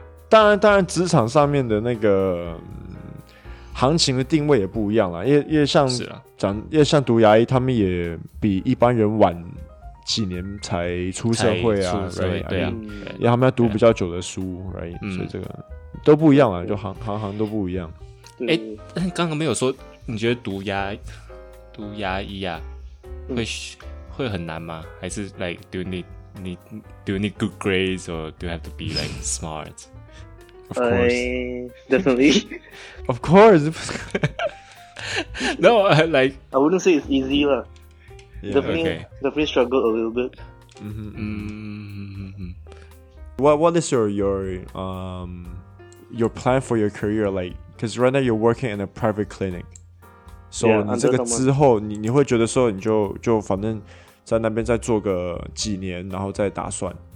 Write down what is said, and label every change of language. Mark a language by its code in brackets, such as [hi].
[zh] 当然，职场上面的那个、行情的定位也不一样啦，因为像读牙医，他们也比一般人晚几年才出社会啊，对啊，因为他们要读比较久的书 ，right？、嗯、所以这个都不一样啊，就行都不一样。哎，刚刚没有说，你觉得读牙医啊，会很难吗？还是 [en] like do you need good grades or do you have to be like smart? Of course, definitely. Of course. No, like I wouldn't say it's easy lah. Yeah, definitely struggle a little bit. Mm-hmm. What is your plan for your career? Like, because right now you're working in a private clinic. 所、so, 以、 yeah, [zh] 你这个之后你会觉得说你就反正在那边再做个几年然后再打算。